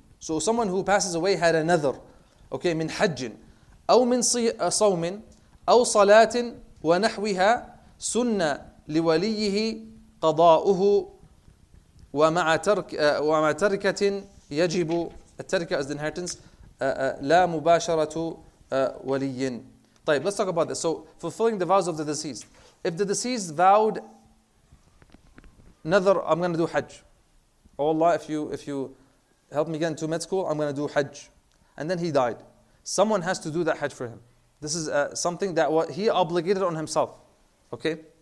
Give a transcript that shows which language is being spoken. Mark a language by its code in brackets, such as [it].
[en] So someone who passes away had a nadhr. [ar] Okay, من حج أو من صوم أو صلاة ونحوها سنة لوليه قضاؤه ومع ترك ومع تركة يجب التركة [en] as the inheritance [ar] لا مباشرة ولي. [en] طيب, let's talk about this. So fulfilling the vows of the deceased. If the deceased vowed nadhr, I'm going to do hajj. Oh Allah, if you help me get into med school, I'm going to do hajj. And then he died. Someone has to do that hajj for him. This is something that what he obligated on himself. Okay?